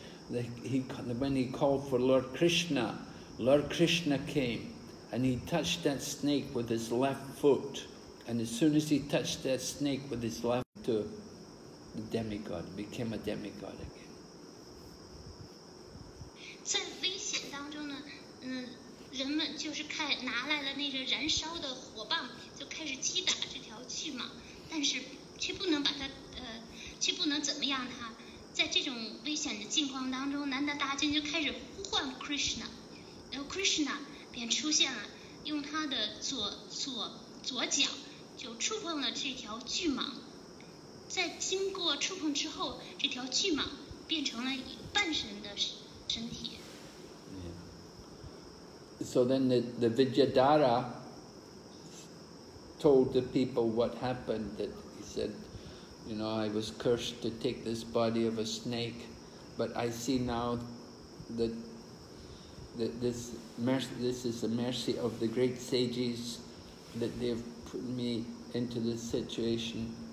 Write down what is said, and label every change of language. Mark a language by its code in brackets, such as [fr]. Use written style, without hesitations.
[en] When he called for Lord Krishna, Lord Krishna came, and he touched that snake with his left foot. And as soon as he touched that snake with his left foot, the demigod became a demigod again. [zh] 在危险当中呢，人们就是看拿来了那个燃烧的火棒，就开始击打这条巨蟒，但是却不能把它却不能怎么样它。在这种危险的境况当中，南达大军就开始呼唤 Krishna， 然后 Krishna 便出现了，用他的左脚就触碰了这条巨蟒，在经过触碰之后，这条巨蟒变成了一半神的身体。 [en] So then the Vidyadhara told the people what happened, that he said, you know, I was cursed to take this body of a snake, but I see now that this is the mercy of the great sages, that they've put me into this situation.